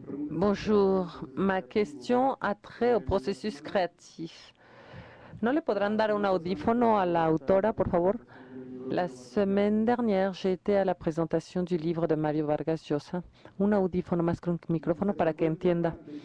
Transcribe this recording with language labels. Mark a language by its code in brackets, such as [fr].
[fr] Bonjour, ma question a trait au processus créatif. [es] ¿No le podrán dar un audífono a la autora, por favor? [fr] La semaine dernière, j'ai été à la présentation du livre de Mario Vargas Llosa. [es] Un audífono más que un micrófono para que entienda.